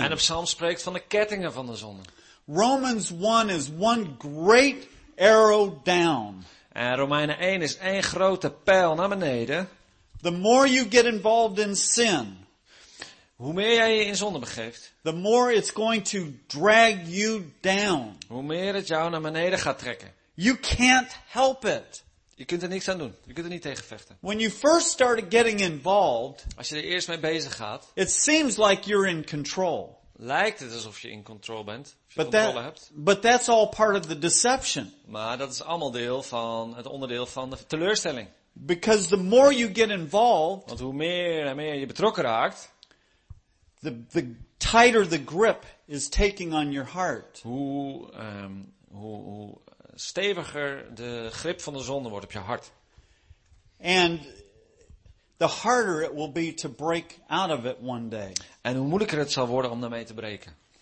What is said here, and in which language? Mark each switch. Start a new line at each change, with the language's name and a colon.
Dutch: En de psalm spreekt van de kettingen van de zonde.
English: Romans 1 is one great arrow down.
Dutch: En Romeinen 1 is één grote pijl naar beneden.
English: The more you get involved in sin,
Dutch: hoe meer jij je in zonde begeeft,
English: the more it's going to drag you down.
Dutch: Hoe meer het jou naar beneden gaat trekken.
English: You can't help it.
Dutch: Je kunt er niks aan doen. Je kunt er niet tegen vechten.
English: When you first started getting involved,
Dutch: als je er eerst mee bezig gaat,
English: it seems like you're in control.
Dutch: Lijkt het alsof je
English: in control
Dutch: bent, of je controle hebt.
English: But that's all part of the deception.
Dutch: Maar dat is allemaal deel van het onderdeel van de teleurstelling.
English: Because the more you get involved,
Dutch: want hoe meer en meer je betrokken raakt,
English: the tighter the grip is taking on your heart.
Dutch: Hoe steviger de grip van de zonde wordt op je hart.
English: And the harder it will be to break out of it one day.
Dutch: En hoe moeilijker het zal worden om daarmee te breken.